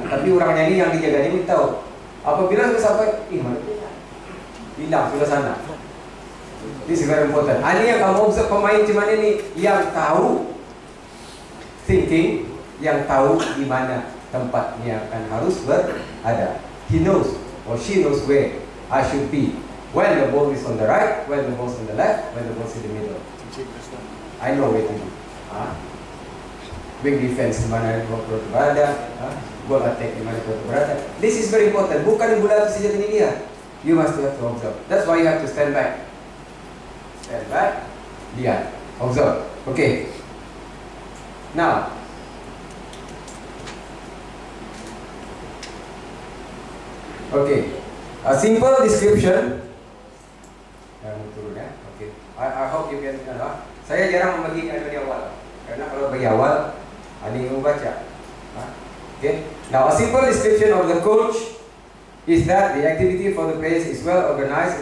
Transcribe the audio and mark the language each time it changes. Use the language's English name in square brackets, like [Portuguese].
[Indonesian] Tapi orangnya ini yang dijaga dia tahu. Apabila sudah sampai, hilang bola sana. Ini sangat important. Ini yang kamu observe pemain cuman ini yang tahu thinking. Yang tahu di mana tempatnya akan harus berada. [English] He knows or she knows where I should be. When the ball is on the right, when the ball is on the left, when the ball is in the middle. I know where to be. Wing defense [Indonesian] di mana [English] ball [Indonesian] berada. [English] Goal attack [Indonesian] di mana [English] ball [Indonesian] berada. [English] This is very important. [Indonesian] Bukan bola itu saja ini dia. [English] You must have to observe. That's why you have to stand back. Stand back. [Indonesian] Lihat. [English] Observe. Okay. Now. Okay, a simple description. [Indonesian] Turun ya. [English] Okay, I hope you can. [Indonesian] Saya jarang membagi dari awal, karena kalau bagi awal, ada yang membaca. [English] Okay, now a simple description of the coach is that the activity for the players is well organized.